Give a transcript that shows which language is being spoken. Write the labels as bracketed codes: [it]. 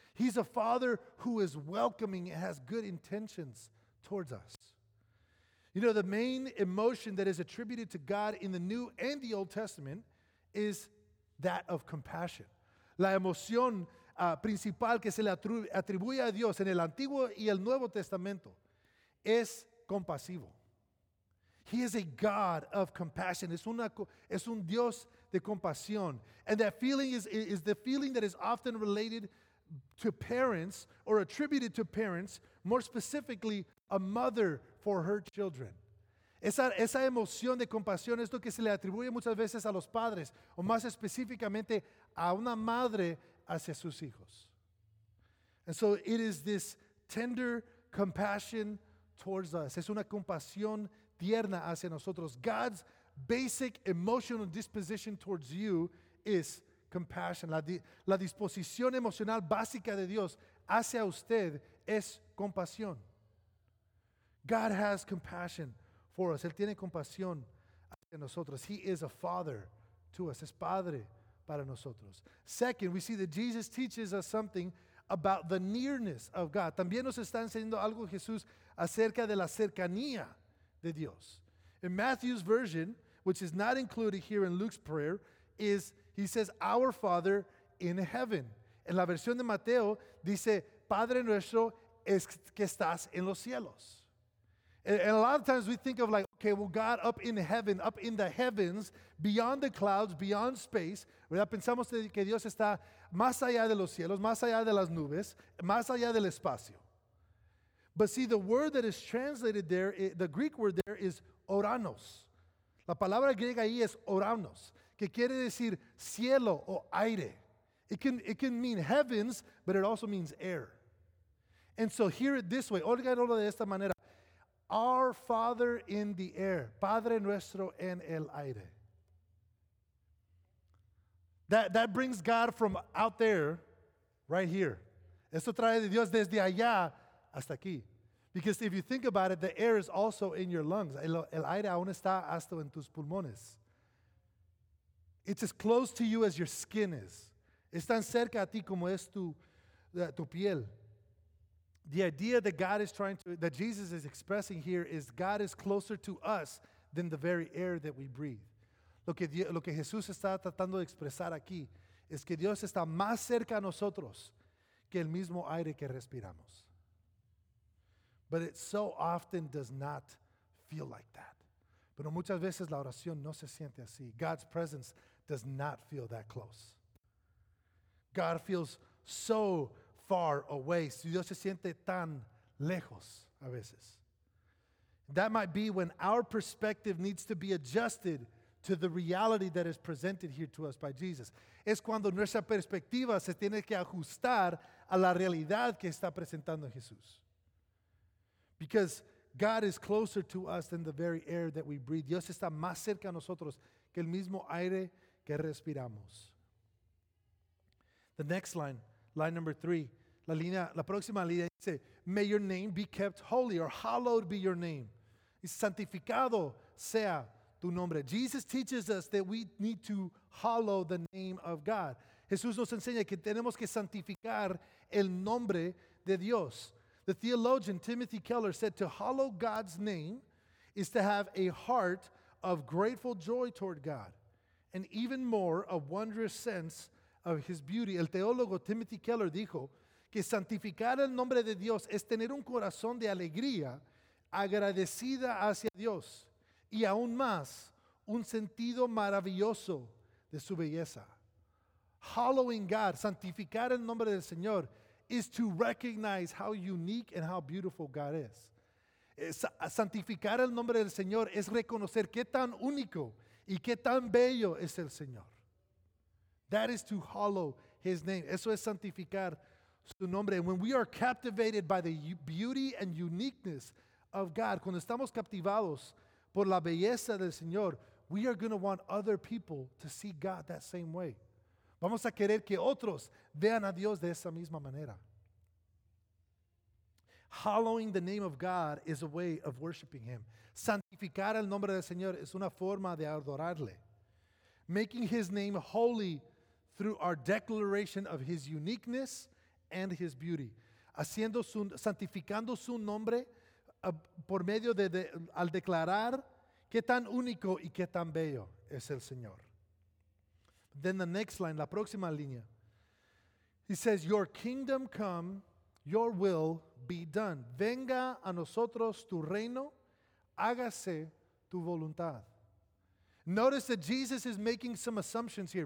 [en] He's a Father who is welcoming and has good intentions towards us. You know, the main emotion that is attributed to God in the New and the Old Testament is that of compassion. [es] La emoción principal que se le atribuye a Dios en el Antiguo y el Nuevo Testamento es compasivo. [en] He is a God of compassion. [es] Es un Dios de compasión. [en] And that feeling is the feeling that is often related to parents or attributed to parents, more specifically, a mother for her children. [es] Esa emoción de compasión es lo que se le atribuye muchas veces a los padres, o más específicamente, a una madre hacia sus hijos. [en] And so it is this tender compassion towards us. [es] Es una compasión tierna hacia nosotros. [en] God's basic emotional disposition towards you is compassion. [es] La disposición emocional básica de Dios hacia usted es compasión. [en] God has compassion for us. [es] Él tiene compasión hacia nosotros. [en] He is a father to us. [es] Es padre para nosotros. [en] Second, we see that Jesus teaches us something about the nearness of God. [es] También nos está enseñando algo Jesús acerca de la cercanía de Dios. [en] In Matthew's version, which is not included here in Luke's prayer, is he says, our Father in heaven. [es] En la versión de Mateo, dice, Padre nuestro es que estás en los cielos. [en] And a lot of times we think of like, okay, well, God up in heaven, up in the heavens, beyond the clouds, beyond space, [es] ¿verdad? Pensamos que Dios está más allá de los cielos, más allá de las nubes, más allá del espacio. [en] But see, the word that is translated there, the Greek word there is oranos. [es] La palabra griega ahí es oranos, que quiere decir cielo o aire. [en] It can mean heavens, but it also means air. And so hear it this way, [es] óiganlo de esta manera. [en] Our Father in the air, [es] Padre nuestro en el aire. [en] That brings God from out there, right here. [es] Esto trae de Dios desde allá hasta aquí. [en] Because if you think about it, the air is also in your lungs. [es] El aire aún está hasta en tus pulmones. [en] It's as close to you as your skin is. [es] Es tan cerca a ti como es tu piel. [en] The idea that God is that Jesus is expressing here is God is closer to us than the very air that we breathe. [es] Lo que Jesús está tratando de expresar aquí es que Dios está más cerca a nosotros que el mismo aire que respiramos. [en] But it so often does not feel like that. [es] Pero muchas veces la oración no se siente así. [en] God's presence does not feel that close. God feels so far away. [es] Dios se siente tan lejos a veces. [en] That might be when our perspective needs to be adjusted to the reality that is presented here to us by Jesus. [es] Es cuando nuestra perspectiva se tiene que ajustar a la realidad que está presentando Jesús. [en] Because God is closer to us than the very air that we breathe. [es] Dios está más cerca a nosotros que el mismo aire que respiramos. [en] The next line, line number three, [es] la próxima línea dice, [en] may your name be kept holy, or hallowed be your name. [es] Y santificado sea tu nombre. [en] Jesus teaches us that we need to hallow the name of God. [es] Jesús nos enseña que tenemos que santificar el nombre de Dios. [en] The theologian Timothy Keller said to hallow God's name is to have a heart of grateful joy toward God and even more a wondrous sense of his beauty. [es] El teólogo Timothy Keller dijo que santificar el nombre de Dios es tener un corazón de alegría agradecida hacia Dios y aún más un sentido maravilloso de su belleza. [en] Hallowing God, [es] santificar el nombre del Señor, [en] is to recognize how unique and how beautiful God is. [es] Santificar el nombre del Señor es reconocer qué tan único y qué tan bello es el Señor. [en] That is to hallow His name. [es] Eso es santificar su nombre. [en] When we are captivated by the beauty and uniqueness of God, [es] cuando estamos captivados por la belleza del Señor, [en] we are going to want other people to see God that same way. [es] Vamos a querer que otros vean a Dios de esa misma manera. [en] Hallowing the name of God is a way of worshiping Him. [es] Santificar el nombre del Señor es una forma de adorarle. [en] Making His name holy through our declaration of His uniqueness and His beauty. [es] Santificando su nombre por medio de al declarar qué tan único y qué tan bello es el Señor. [en] Then the next line, [es] la próxima línea. [en] He says, your kingdom come, your will be done. [es] Venga a nosotros tu reino, hágase tu voluntad. [en] Notice that Jesus is making some assumptions here.